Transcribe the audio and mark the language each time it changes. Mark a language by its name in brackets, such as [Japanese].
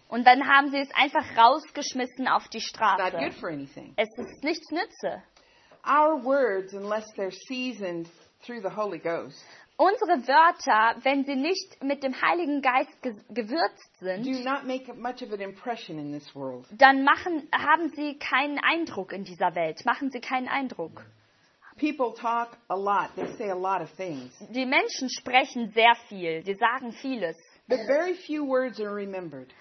[German] Und dann haben sie es einfach rausgeschmissen auf die Straße. [English] It's not good for anything. [German] Es ist nichts Nütze. [English] Our words, unless they're seasoned through the Holy Ghost, [German] unsere Wörter, wenn sie nicht mit dem Heiligen Geist gewürzt sind, [English] do not make much of an impression in this world. [German] Dann haben sie keinen Eindruck in dieser Welt. Machen sie keinen Eindruck. [English] People talk a lot. They say a lot of things. [German] Die Menschen sprechen sehr viel. Sie sagen vieles. [English] But very few words are remembered.